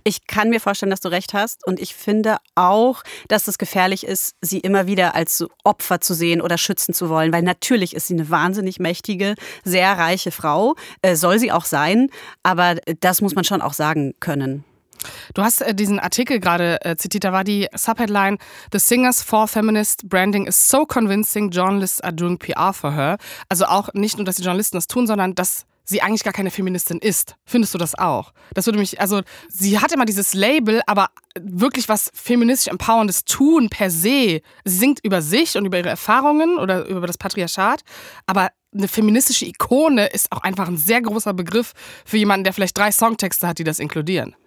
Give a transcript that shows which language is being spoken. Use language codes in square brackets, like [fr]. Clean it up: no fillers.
[de] Ich kann mir vorstellen, dass du recht hast. Und ich finde auch, dass es gefährlich ist, sie immer wieder als Opfer zu sehen oder schützen zu wollen. Weil natürlich ist sie eine wahnsinnig mächtige, sehr reiche Frau. Soll sie auch sein. Aber das muss man schon auch sagen können. Du hast diesen Artikel gerade zitiert. Da war die Subheadline: [en] The Singer's Four Feminist Branding is so convincing, journalists are doing PR for her. [de] Also auch nicht nur, dass die Journalisten das tun, sondern dass sie eigentlich gar keine Feministin ist. Findest du das auch? Das würde mich, also sie hat immer dieses Label, aber wirklich was feministisch empowerndes tun per se. Sie singt über sich und über ihre Erfahrungen oder über das Patriarchat, aber eine feministische Ikone ist auch einfach ein sehr großer Begriff für jemanden, der vielleicht drei Songtexte hat, die das inkludieren.